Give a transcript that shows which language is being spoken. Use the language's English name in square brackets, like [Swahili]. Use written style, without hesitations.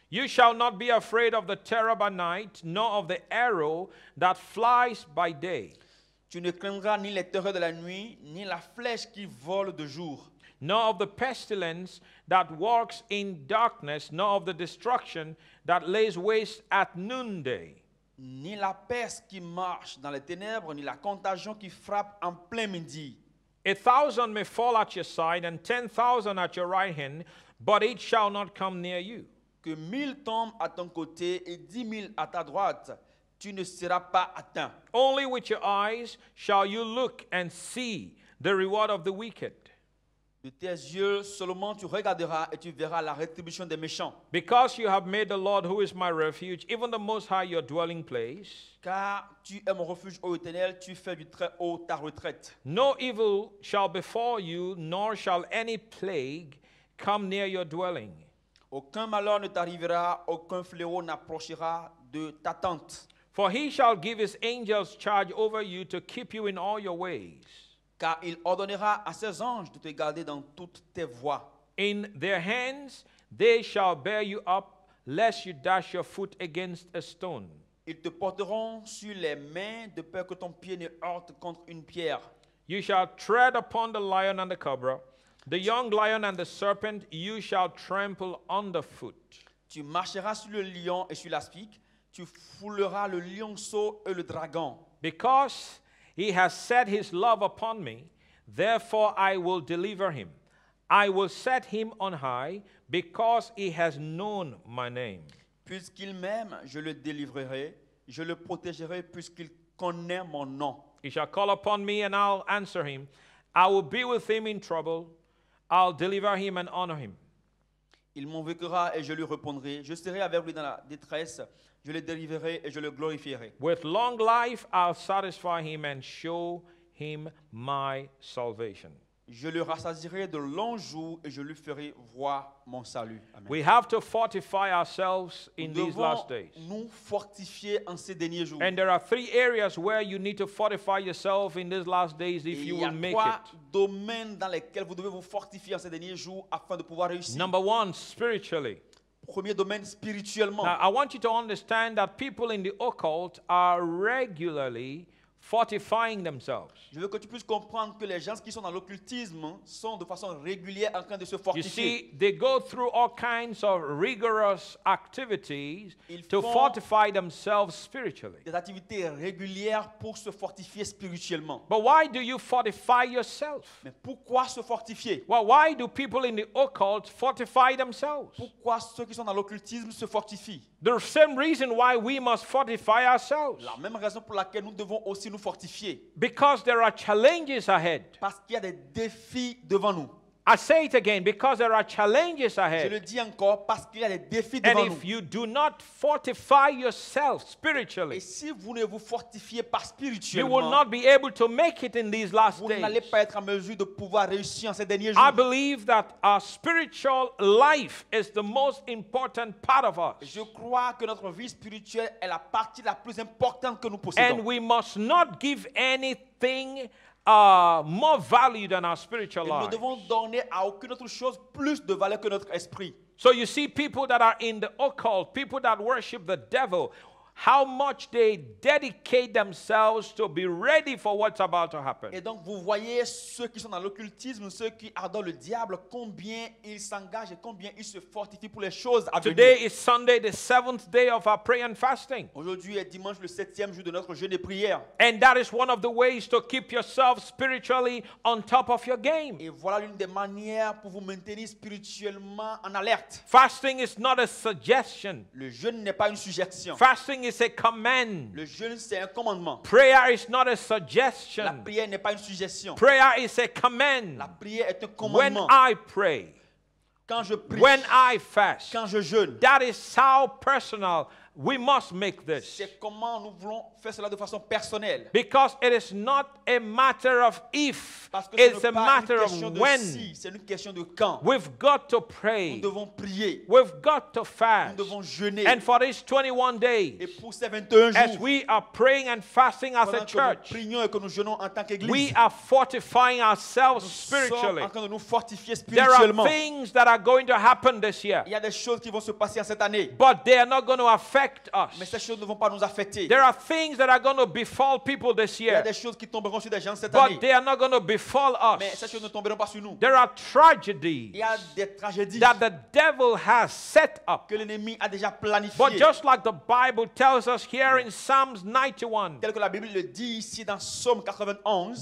[English] You shall not be afraid of the terror by night, nor of the arrow that flies by day. [French] Tu ne craindras ni les terreurs de la nuit, ni la flèche qui vole de jour. [English] Nor of the pestilence that walks in darkness, nor of the destruction that lays waste at noonday. [French] Ni la peste qui marche dans les ténèbres, ni la contagion qui frappe en plein midi. [English] 1,000 may fall at your side and 10,000 at your right hand, but it shall not come near you. [French] Que 1,000 tombent à ton côté et 10,000 à ta droite, tu ne seras pas atteint. [English] Only with your eyes shall you look and see the reward of the wicked. [French] De tes yeux seulement tu regarderas et tu verras la rétribution des méchants. [English] Because you have made the Lord who is my refuge, even the Most High your dwelling place. [French] Car tu es mon refuge, ô Éternel, tu fais du Très-Haut ta retraite. [English] No evil shall befall you, nor shall any plague come near your dwelling. [French] Aucun malheur ne t'arrivera, aucun fléau n'approchera de ta tente. [English] For he shall give his angels charge over you to keep you in all your ways. [French] Car il ordonnera à ses anges de te garder dans toutes tes voies. [English] In their hands, they shall bear you up, lest you dash your foot against a stone. [French] Ils te porteront sur les mains de peur que ton pied ne heurte contre une pierre. [English] You shall tread upon the lion and the cobra, the young lion and the serpent you shall trample underfoot. [French] Tu marcheras sur le lion et sur l'aspic, tu fouleras le lionceau et le dragon. [English] Because He has set his love upon me, therefore I will deliver him. I will set him on high, because he has known my name. [French] Puisqu'il m'aime, je le délivrerai, je le protégerai, puisqu'il connaît mon nom. [English] He shall call upon me, and I'll answer him. I will be with him in trouble. I'll deliver him and honor him. [French] Il m'invoquera et je lui répondrai. Je serai avec lui dans la détresse. Je le délivrerai et je le glorifierai. [English] With long life, I'll satisfy him and show him my salvation. [French] Je le rassasierai de longs jours et je lui ferai voir mon salut. [English] Amen. We have to fortify ourselves in these last days. [French] Nous fortifier en ces derniers jours. [English] And there are three areas where you need to fortify yourself in these last days if you will make it. [French] Il y a trois domaines dans lesquels vous devez vous fortifier en ces derniers jours afin de pouvoir réussir. [English] Number one, spiritually. [French] Premier domaine, spirituellement. [English] Now, I want you to understand that people in the occult are regularly fortifying themselves. [French] Je veux que tu puisses comprendre que les gens qui sont dans l'occultisme sont de façon régulière en train de se fortifier. [English] You see, they go through all kinds of rigorous activities to fortify themselves spiritually. [French] Des activités régulières pour se fortifier spirituellement. [English] But why do you fortify yourself? [French] Mais pourquoi se fortifier? [English] Well, why do people in the occult fortify themselves? [French] Pourquoi ceux qui sont dans l'occultisme se fortifient? [English] The same reason why we must fortify ourselves. [French] La même raison pour laquelle nous devons aussi nous fortifier. [English] Because there are challenges ahead. [French] Parce qu'il y a des défis devant nous. [English] I say it again, because there are challenges ahead. [French] Je le dis encore, parce qu'il y a des défis devant nous. [English] And if you do not fortify yourself spiritually, [French] et si vous ne vous fortifiez pas spirituellement, [English] you will not be able to make it in these last days. [French] Vous n'allez pas être en mesure de pouvoir réussir en ces derniers jours. [English] I believe that our spiritual life is the most important part of us. [French] Je crois que notre vie spirituelle est la partie la plus importante que nous possédons. [English] And we must not give anything more value than our spiritual life. [French] Nous devons donner à aucune autre chose plus de valeur que notre esprit. [English] So you see people that are in the occult, people that worship the devil, how much they dedicate themselves to be ready for what's about to happen. [French] Et donc vous voyez ceux qui sont dans l'occultisme, ceux qui adorent le diable, combien ils s'engagent et combien ils se fortifient pour les choses à venir. [English] Today is Sunday, the seventh day of our prayer and fasting. [French] Aujourd'hui est dimanche, le septième jour de notre jeûne et prière. [English] And that is one of the ways to keep yourself spiritually on top of your game. [French] Et voilà l'une des manières pour vous maintenir spirituellement en alerte. [English] Fasting is not a suggestion. [French] Le jeûne n'est pas une suggestion. [English] Fasting is a command. [French] Le jeûne, c'est un commandement. [English] Prayer is not a suggestion. [French] La prière n'est pas une suggestion. [English] Prayer is a command. [French] La prière est un commandement. [English] When I pray, [French] quand je prie, [English] when I fast, [French] quand je jeûne, [English] that is how personal we must make this. [French] C'est comment nous voulons faire cela de façon personnelle. [English] Because it is not a matter of if, [French] parce que [English] it's a matter of when. [French] Si, c'est une question de quand. [English] We've got to pray. [French] Nous devons prier. [English] We've got to fast. [French] Nous devons jeûner. [English] And for these 21 days, [French] et pour ces 21 jours, [English] as we are praying and fasting as a church, [French] que nous prions et que nous jeûnons en tant qu'église, [English] we are fortifying ourselves [French] nous [English] spiritually. [French] Sommes en train de nous fortifier spirituellement. [English] There are things that are going to happen this year. [French] Il y a des choses qui vont se passer cette année. [English] But they are not going to affect us. [French] Mais ces choses ne vont pas nous affecter. [English] There are things that are going to befall people this year. [French] Il y a des choses qui tomberont sur des gens cette [English] but [French] année. [English] But they are not going to befall us. [French] Mais ces choses ne tomberont pas sur nous. [English] There are tragedies. [French] Il y a des tragédies. [English] That the devil has set up. [French] Que l'ennemi a déjà planifié. [English] But just like the Bible tells us here in Psalms 91. [French] Tel que la Bible le dit ici dans Psaume 91.